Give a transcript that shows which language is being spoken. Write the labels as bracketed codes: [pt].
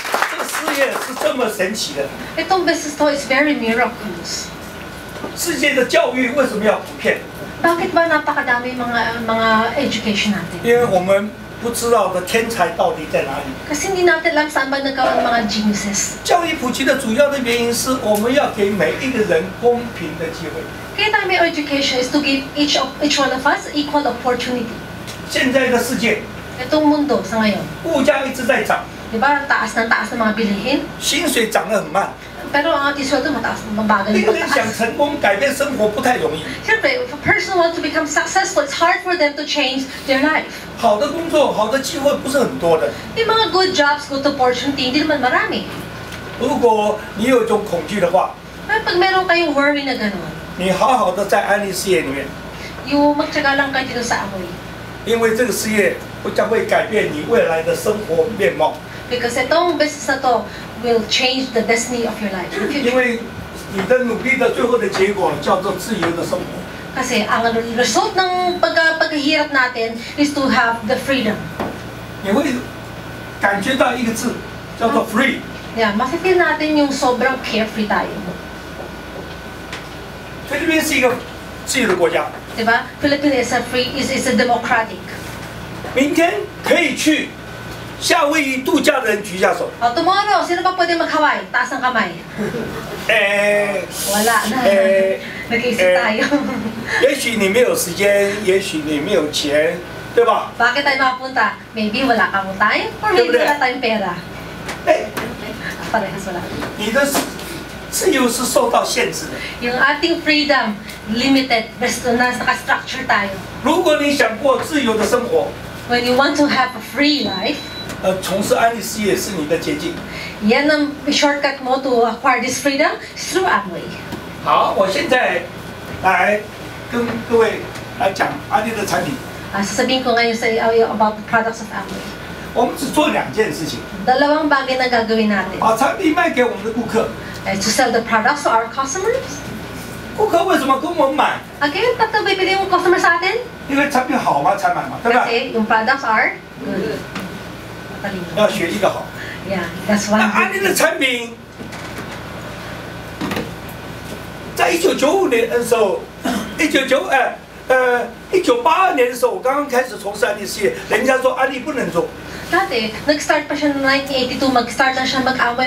[zh] 这个事业是这么神奇的. [en] Itong business to is very miraculous. [zh] 世界的教育为什么要普遍? [tl] Bakit ba napakadami mga education natin? [zh] 因为我们不知道的天才到底在哪里. [tl] Kasi hindi natin alam saan ba nagkaroon mga geniuses. [zh] 教育普及的主要的原因是我们要给每一个人公平的机会. [en] Kaya tayo may education is to give each one of us equal opportunity. [zh] 现在的世界, [tl] itong mundo sa ngayon, [zh] 物价一直在涨. [tl] Diba, taas ng taas ng mga bilihin? [zh] 薪水涨得很慢. [tl] Pero ang ating sweldo mataas, mabagal yung mataas. [zh] 令人想成功改变生活不太容易. [en] Siyempre, if a person wants to become successful, it's hard for them to change their life. [zh] 好的工作, 好的机会不是很多的. [tl] Yung mga good jobs, good opportunity, hindi naman marami. [zh] 如果你有一种恐惧的话, [tl] ay, pag meron kayong worry na gano'n, [zh] 你好好的在安利事业里面, [tl] yung magtsaga lang kayo dito sa amoy. [zh] 因为这个事业将会改变你未来的生活面貌. [en] Because itong business na to will change the destiny of your life. [zh] 因为你的努力的最后的结果叫做自由的生活. [tl] Kasi ang result ng paghihirap natin [en] is to have the freedom. [zh] 你会感觉到一个字叫做 free. [tl] Yeah, ma-feel natin yung sobrang carefree tayo. [zh] 菲律宾是一个自由的国家. [en] Diba? Philippines is a free, is a democratic. [zh] 明天可以去 夏威夷度假的人举下手. [tl] Oh, tomorrow, sino pa pwede mag-Hawaii? Taas ang kamay. Wala na. Nag-iisip tayo. [zh] 也许你没有时间，也许你没有钱, 对吧? [tl] Bakit tayo mapunta? Maybe wala kang time, or maybe [zh] 对不对? [tl] Wala tayong pera. Parehas wala. [zh] 你的自由是受到限制的. [tl] Yung ating freedom, limited, basta na naka-structure tayo. [zh] 如果你想过自由的生活, [en] when you want to have a free life, [zh] 从事安利事业是你的捷径. [tl] Yan ang shortcut mo [en] to acquire this freedom is through Amway. [zh] 好，我现在来跟各位来讲安利的产品. [tl] Sasabihin ko ngayon sa about the products of Amway. [zh] 我们只做两件事情。dalawang [tl] bagay na gagawin natin. [zh] 啊，产品卖给我们的顾客。 [en] To sell the products to our customers. [zh] 顾客为什么跟我们买？ [tl] Again, [zh] 为什么会买 [tl] yung customer sa atin? [zh] 因为产品好嘛，才买嘛，对吧？ [en] Kasi yung products are good. [zh] 要学一个好。 [en] Yeah, that's why. [zh] 那安利的产品。在1992年的时候，1982年的时候，我刚刚开始从事安利事业，人家说安利不能做。 [tl] Dati, nag-start pa siya ng 1982, mag-start na siya mag-amway.